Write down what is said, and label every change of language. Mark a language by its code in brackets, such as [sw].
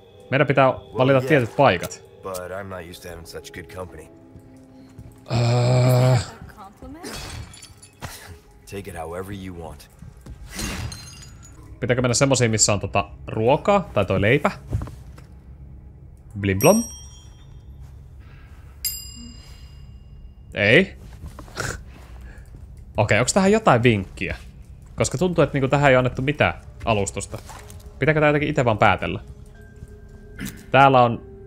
[fi] Meidän pitää valita well, tietyt paikat. [en] But I'm not used to having such good company. Compliment? Take it however you want. [fi] Pitääkö mennä semmosiin, missä on tota ruokaa tai toi leipä? Blimblom. Ei. Okei, onks tähän jotain vinkkiä? Koska tuntuu, että niinku tähän ei annettu mitään alustusta. Pitääkö tää jotenkin ite vaan päätellä? Täällä on...